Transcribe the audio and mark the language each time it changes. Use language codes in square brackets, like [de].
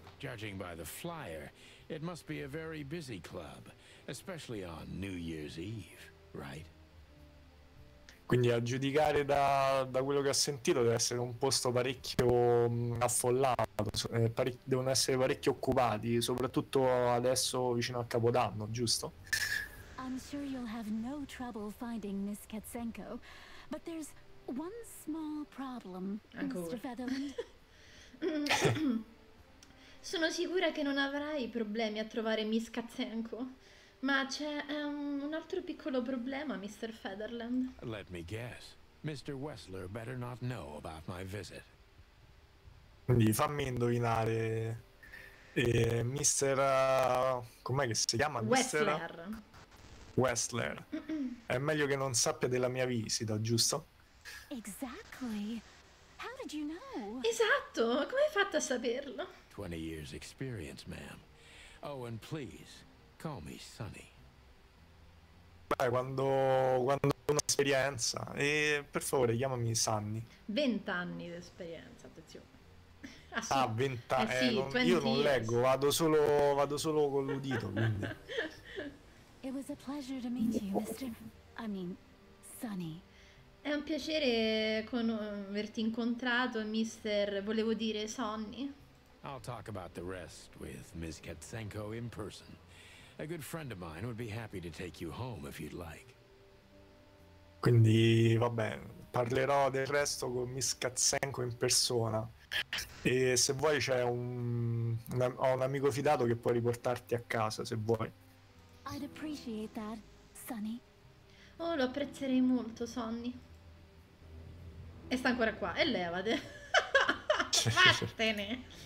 [en] Judging by the flyer, it must be a very busy club, especially on New Year's Eve, right? [it] Quindi a giudicare da quello che ho sentito deve essere un posto parecchio affollato, devono essere parecchio occupati, soprattutto adesso vicino al Capodanno, giusto? [en] I'm sure you'll have no trouble finding Miss Katsenko, but there's one small problem, Mr. Featherland. [it] Sono sicura che non avrai problemi a trovare Miss Katsenko, ma c'è un altro piccolo problema, Mr. Featherland. [en] Let me guess. Mr. Wessler better not know about my visit. [it] Quindi fammi indovinare. Mr. Com'è che si chiama? Wessler. Wessler. È meglio che non sappia della mia visita, giusto? [en] Exactly. How did you know? [it] Esatto, come hai fatto a saperlo? [en] 20 years experience, ma'am. Oh, and please, call me Sunny. [it] Beh, quando ho un'esperienza, e per favore, chiamami Sunny. 20 anni di esperienza, attenzione. Ah, 20 anni. Io non leggo, vado solo con l'udito, quindi. [en] It was a pleasure to meet you, Mr. I mean, Sunny. [it] È un piacere averti incontrato, mister, volevo dire, Sonny. [en] I'll talk about the rest with Miss Katsenko in person. A good friend of mine would be happy to take you home if you'd like. [it] Quindi, vabbè, parlerò del resto con Miss Katsenko in persona. E se vuoi c'è un amico fidato che può riportarti a casa, se vuoi. [en] I'd appreciate that, Sonny. [it] Oh, lo apprezzerei molto, Sonny. E sta ancora qua, e levate. Vattene.